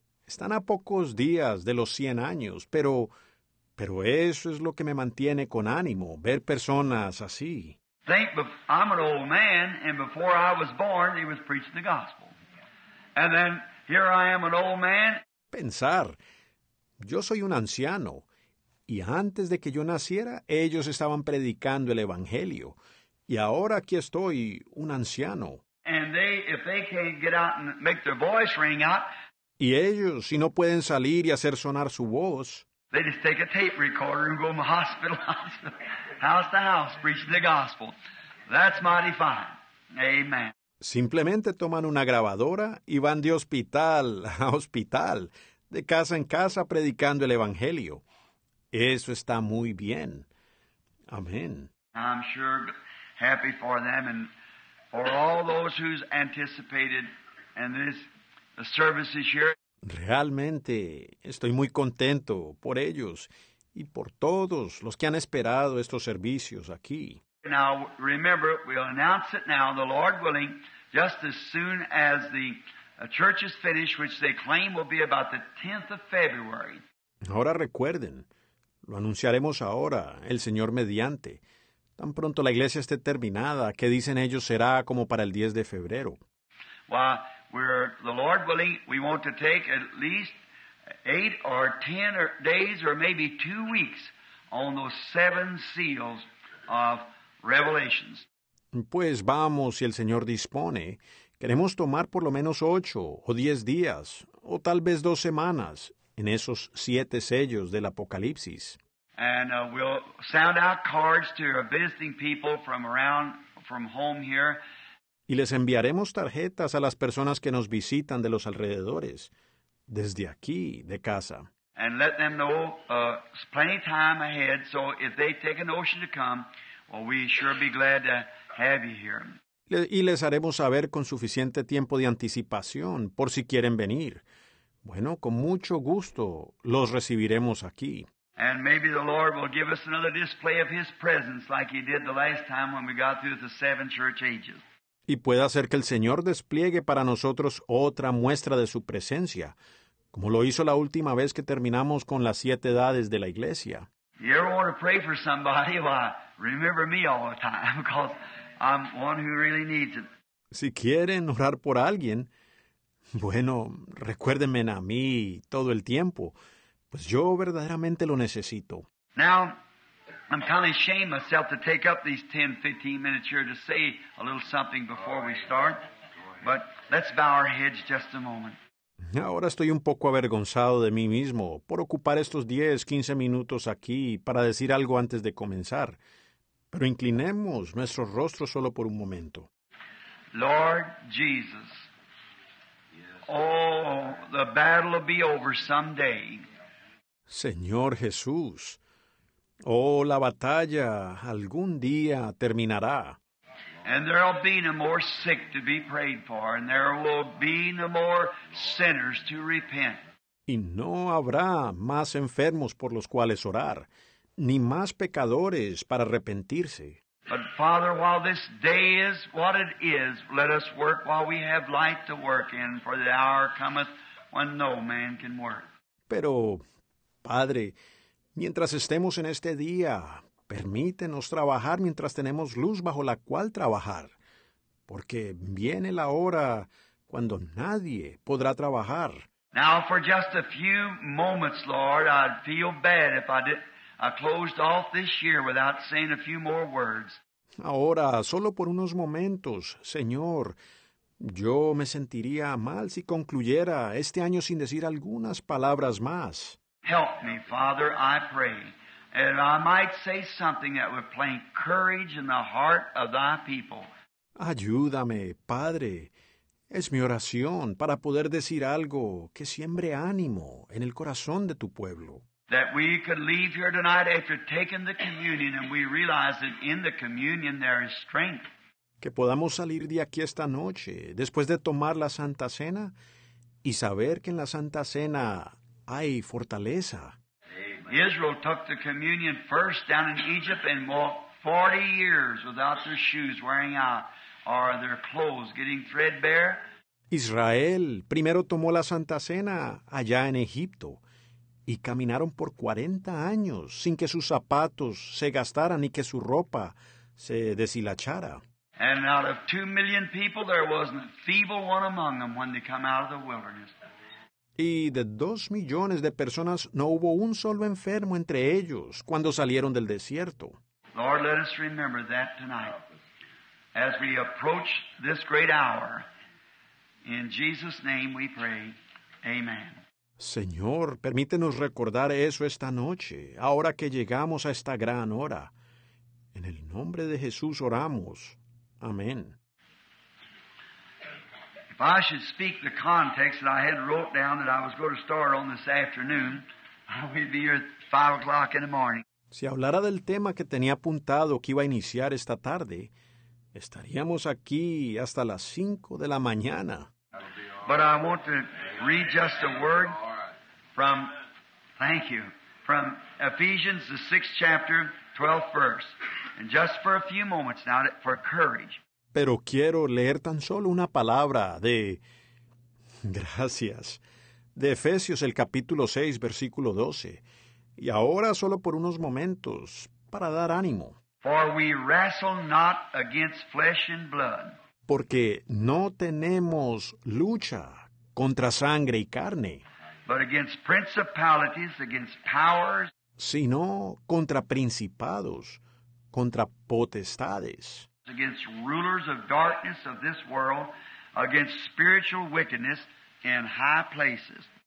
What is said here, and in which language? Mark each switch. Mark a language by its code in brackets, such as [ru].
[es] Están a pocos días de los 100 años, pero eso es lo que me mantiene con ánimo, ver personas así. [en] Think, I'm an old man, and before I was born, he was preaching the gospel. And then, here I am an old man. [es] Pensar, yo soy un anciano, y antes de que yo naciera, ellos estaban predicando el evangelio. Y ahora aquí estoy, un anciano. [en] And they, if they can't get out and make their voice ring out, [es] y ellos, si no pueden salir y hacer sonar su voz, [en] they just take a tape recorder and go from hospital house to house preaching the gospel. That's mighty fine. Amen. [es] Simplemente toman una grabadora y van de hospital a hospital, de casa en casa predicando el evangelio. Eso está muy bien. Amén. [en] I'm sure happy for them and for all those who's anticipated and this the service is here. [es] Realmente estoy muy contento por ellos y por todos los que han esperado estos servicios aquí. [en] Now remember, we'll announce it now, the Lord willing, just as soon as the church is finished, which they claim will be about the 10th of February. [es] Ahora recuerden, lo anunciaremos ahora, el Señor mediante. Tan pronto la iglesia esté terminada, que dicen ellos será como para el 10 de febrero. [en] Well, we're, the Lord willing, we want to take at least 8 or 10 days or maybe 2 weeks on those 7 seals of Revelations. [es] Pues vamos, si el Señor dispone. Queremos tomar por lo menos 8 o 10 días, o tal vez 2 semanas, en esos 7 sellos del Apocalipsis. [en] And we'll send out cards to our visiting people from around, from home here. [es] Y les enviaremos tarjetas a las personas que nos visitan de los alrededores, desde aquí, de casa. [en] And let them know plenty of time ahead, so if they take a notion to come, well, we sure be glad to have you here. [es] Y les haremos saber con suficiente tiempo de anticipación, por si quieren venir. Bueno, con mucho gusto los recibiremos aquí. [en] And maybe the Lord will give us another display of His presence like He did the last time when we got through the 7 church ages. [es] Y pueda hacer que el Señor despliegue para nosotros otra muestra de su presencia, como lo hizo la última vez que terminamos con las 7 edades de la iglesia. [en] You ever want to pray for somebody? Well, remember me all the time, because I'm one who really needs it. [es] Si quieren orar por alguien, bueno, recuérdenme a mí todo el tiempo, pues yo verdaderamente lo necesito. [en] Now, I'm kind of ashamed myself to take up these 10, 15 minutes here to say a little something before we start. But let's bow our heads just a moment. [es] Ahora estoy un poco avergonzado de mí mismo por ocupar estos 10, 15 minutos aquí para decir algo antes de comenzar. Pero inclinemos nuestros rostros solo por un momento. [en] Lord Jesus, oh, the battle will be over someday. [es] Señor Jesús, oh, la batalla algún día terminará. [en] And there will be no more sick to be prayed for, and there will be no more sinners to repent. [es] Y no habrá más enfermos por los cuales orar, ni más pecadores para arrepentirse. [en] But Father, while this day is what it is, let us work while we have light to work in, for the hour cometh when no man can work. [es] Pero, Padre, mientras estemos en este día, permítenos trabajar mientras tenemos luz bajo la cual trabajar, porque viene la hora cuando nadie podrá trabajar. [en] Now for just a few moments, Lord, I'd feel bad if I closed off this year without saying a few more words. [es] Ahora, solo por unos momentos, Señor, yo me sentiría mal si concluyera este año sin decir algunas palabras más. [en] Help me, Father, I pray. And I might say something that would plant courage in the heart of thy people. [es] Ayúdame, Padre. Es mi oración para poder decir algo que siembre ánimo en el corazón de tu pueblo. [en] That we could leave here tonight after taking the communion and we realize that in the communion there is strength. [es] Que podamos salir de aquí esta noche después de tomar la Santa Cena y saber que en la Santa Cena hay fortaleza. [en] Israel took the communion first down in Egypt and walked 40 years without their shoes wearing out or their clothes getting threadbare. [es] Israel primero tomó la Santa Cena allá en Egipto y caminaron por 40 años sin que sus zapatos se gastaran ni que su ropa se deshilachara. [en] And out of 2 million people, there wasn't a feeble one among them when they come out of the wilderness. [es] Y de 2 millones de personas, no hubo un solo enfermo entre ellos cuando salieron del desierto. [en] Lord, let us remember that tonight. As we approach this great hour, in Jesus' name we pray, amen. [es] Señor, permítenos recordar eso esta noche, ahora que llegamos a esta gran hora. En el nombre de Jesús oramos. Amén. [en] If I should speak the context that I had wrote down that I was going to start on this afternoon, I would be here at 5 o'clock in the morning. [es] Si hablara del tema que tenía apuntado que iba a iniciar esta tarde, estaríamos aquí hasta las 5 de la mañana. [en] But I want to read just a word from, thank you, from Ephesians, the 6th chapter, 12th verse. And just for a few moments now, for courage. [es] Pero quiero leer tan solo una palabra de, gracias, de Efesios, el capítulo 6, versículo 12. Y ahora solo por unos momentos, para dar ánimo. [en] For we wrestle not against flesh and blood. [es] Porque no tenemos lucha contra sangre y carne. [en] But against principalities, against powers. [es] Sino contra principados, contra potestades. [en] Against rulers of darkness of this world, against spiritual wickedness in high places.